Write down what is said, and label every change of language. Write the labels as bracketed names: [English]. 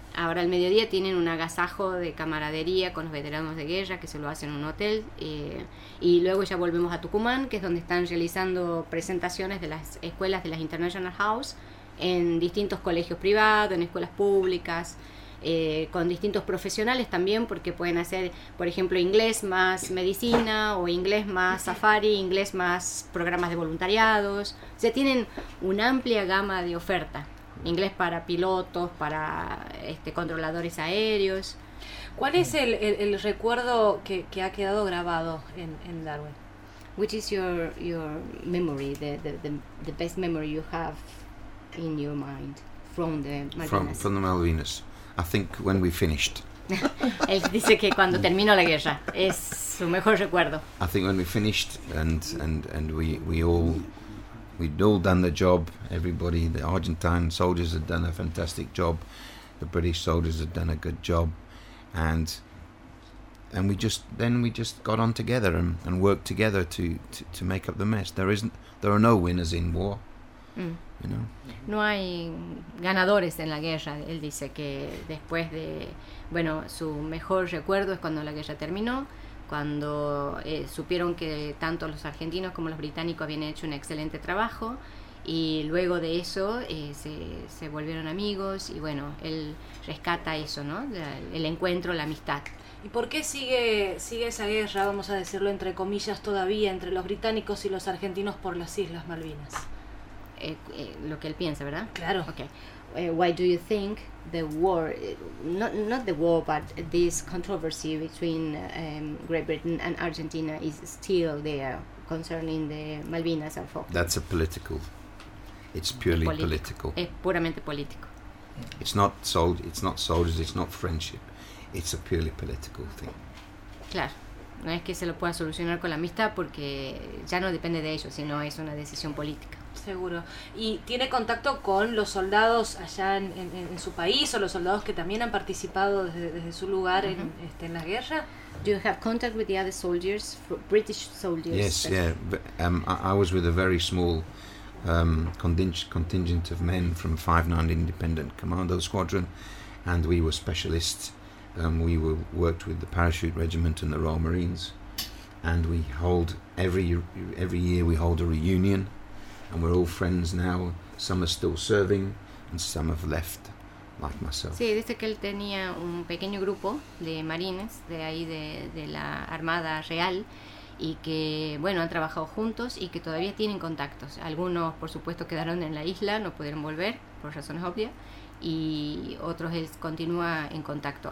[Spanish] Ahora al mediodía tienen un agasajo de camaradería con los veteranos de guerra, que se lo hacen en un hotel, y luego ya volvemos a Tucumán, que es donde están realizando presentaciones de las escuelas de las International House en distintos colegios privados, en escuelas públicas, con distintos profesionales también, porque pueden hacer, por ejemplo, inglés más medicina, o inglés más safari, inglés más programas de voluntariados. O sea, tienen una amplia gama de oferta. Inglés para pilotos, para controladores aéreos. ¿Cuál es el recuerdo que ha quedado grabado en Darwin? [English] Which is your memory, the best memory you have in your mind from the Malvinas? From the Malvinas. I think when we finished. [Spanish] Él dice que cuando terminó la guerra es su mejor recuerdo. [English] I think when we finished and we'd all done the job. Everybody, the Argentine soldiers had done a fantastic job. The British soldiers had done a good job, and we just got on together and worked together to make up the mess. There are no winners in war. Mm. You know? [Spanish] No hay ganadores en la guerra. Él dice que después de, bueno, su mejor recuerdo es cuando la guerra terminó, cuando supieron que tanto los argentinos como los británicos habían hecho un excelente trabajo, y luego de eso se volvieron amigos, y bueno, él rescata eso, ¿no? El encuentro, la amistad. ¿Y por qué sigue esa guerra, vamos a decirlo entre comillas, todavía entre los británicos y los argentinos por las Islas Malvinas? Lo que él piensa, ¿verdad? Claro. [English] Okay. Why do you think the war, not the war, but this controversy between Great Britain and Argentina is still there concerning the Malvinas and Falklands? That's a political. It's purely political. [Spanish] Es puramente político. [English] It's not soldiers. It's not soldiers. It's not friendship. It's a purely political thing. [Spanish] Claro. No es que se lo pueda solucionar con la amistad, porque ya no depende de ellos, sino es una decisión política. Seguro. ¿Y tiene contacto con los soldados allá en su país, o los soldados que también han participado desde su lugar en la guerra? [English] Do you have contact with the other soldiers, British soldiers? Yes, yeah. I was with a very small contingent of men from 59 Independent Commando Squadron, and we were specialists. We worked with the Parachute Regiment and the Royal Marines, and we hold every year we hold a reunion. And we're all friends now. Some are still serving, and some have left, like myself. [Spanish] Sí, dice que él tenía un pequeño grupo de marines de ahí de la Armada Real, y que bueno, han trabajado juntos y que todavía tienen contactos. Algunos, por supuesto, quedaron en la isla, no pudieron volver por razones obvias, y otros él continúa en contacto.